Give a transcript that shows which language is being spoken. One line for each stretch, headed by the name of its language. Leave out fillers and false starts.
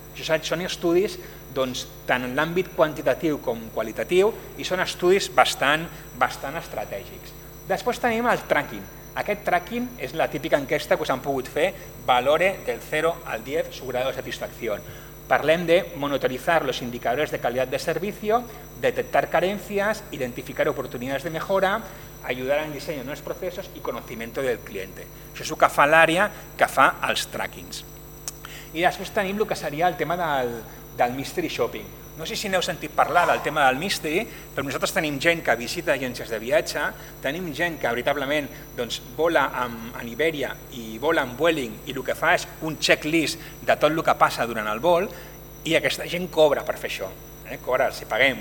Catalan: Això són estudis doncs, tant en l'àmbit quantitatiu com qualitatiu i són estudis bastant estratègics. Després tenim el tracking. Aquest tracking és la típica enquesta que us han pogut fer,
Spanish: valore del 0 al 10 su grado de
Catalan: satisfacció. Parlem de
Spanish: monitorizar los indicadores de calidad de servicio, detectar carencias, identificar oportunidades de mejora, ayudar en diseño de nuevos procesos y conocimiento del cliente.
Catalan: Això és el que fa l'àrea que fa els trackings. I després tenim el que seria el tema del mystery shopping. No sé si n'heu sentit parlar del tema del mystery, però nosaltres tenim gent que visita agències de viatge, tenim gent que veritablement doncs, vola en Iberia i vola en Vueling i el que fa és un checklist de tot el que passa durant el vol i aquesta gent cobra per fer això. Cobra, si paguem.